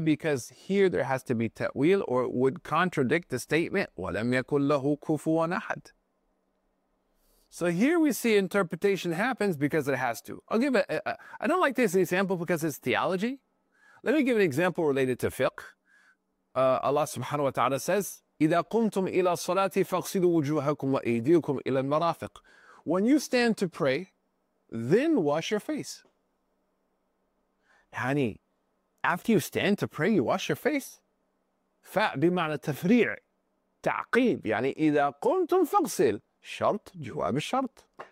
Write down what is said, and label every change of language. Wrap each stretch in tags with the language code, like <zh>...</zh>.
<en>Because here there has to be ta'wil, or it would contradict the statement,</en> <ar>وَلَمْ يَكُنْ لَهُ كُفُوًا أَحَدٌ.</ar> <en>So here we see interpretation happens because it has to. I'll give a I don't like this example because it's theology. Let me give an example related to fiqh. Allah subhanahu wa ta'ala says,</en> <ar>إِذَا قُمْتُمْ إِلَى الصَّلَاةِ فَاغْسِلُوا وُجُوهَكُمْ وَأَيْدِيكُمْ إِلَى الْمَرَافِقِ.</ar> <en>When you stand to pray, then wash your face.</en> <ar>يعني,</ar> <en>after you stand to pray, you wash your face.</en> <ar>فَبِمَعْنَ تَفْرِيعِ تَعْقِيب يعني إِذَا قُمْتُمْ فَاغْسِلْ شرط جواب الشرط.</ar>